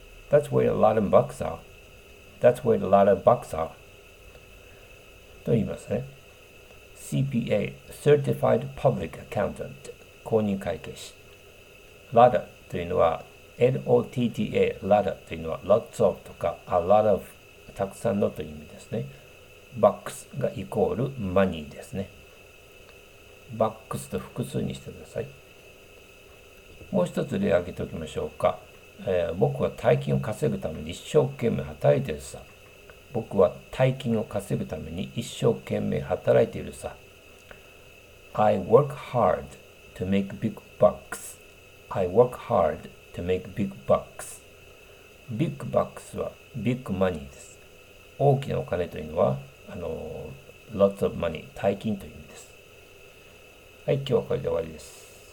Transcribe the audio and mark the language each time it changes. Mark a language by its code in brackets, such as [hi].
[en] That's where a lot of bucks are. That's where a lot of bucks are. [ja] と言いますね。 CPA、 [en] Certified Public Accountant、 [ja] 公認会計士。 Ladder というのは、LOTTA、ladder というのは、 [en] lots of [ja] とか、 [en] a lot of、 [ja] たくさんのという意味ですね。 bucks がイコールマニーですね。bucks と複数にしてください。もう一つ例を挙げておきましょうか。僕は大金を稼ぐために一生懸命働いてるさ。僕は大金を稼ぐために一生懸命働いているさ。 [en] I work hard to make big bucks. I work hard to make big bucks. [ja] ビッグバックスはビッグマニーです。大きなお金というのは、 [en] lots of money、 [ja] 大金という意味です。はい、今日はこれで終わりです。